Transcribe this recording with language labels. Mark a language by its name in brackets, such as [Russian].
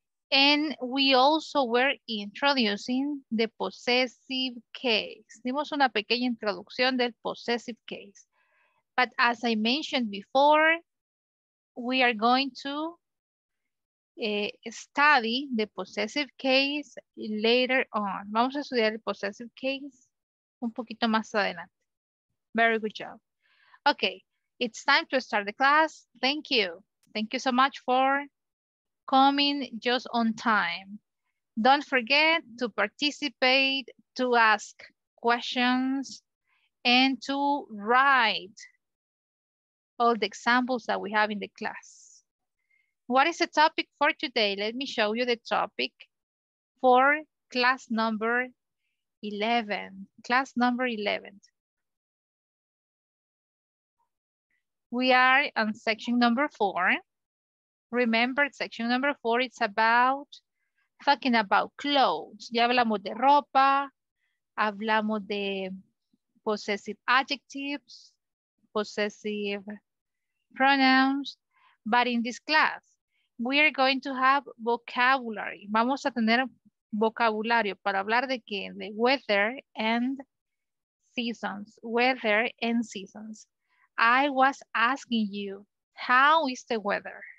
[English] And we also were introducing the possessive case. [Spanish] Dimos una pequeña introducción del [English] possessive case. But as I mentioned before, we are going to study the possessive case later on. [Spanish] Vamos a estudiar el possessive case un poquito más adelante. [English] Very good job. Okay, it's time to start the class. Thank you. Thank you so much for coming just on time. Don't forget to participate, to ask questions, and to write all the examples that we have in the class. What is the topic for today? Let me show you the topic for class number 11. Class number 11. We are on section number 4. Remember, section number 4, it's about talking about clothes. [Spanish] Ya hablamos de ropa, hablamos de [English] possessive adjectives, possessive pronouns, but in this class, we are going to have vocabulary. [Spanish] Vamos a tener vocabulario para hablar de qué? [English] De weather and seasons. Weather and seasons. I was asking you, how is the weather?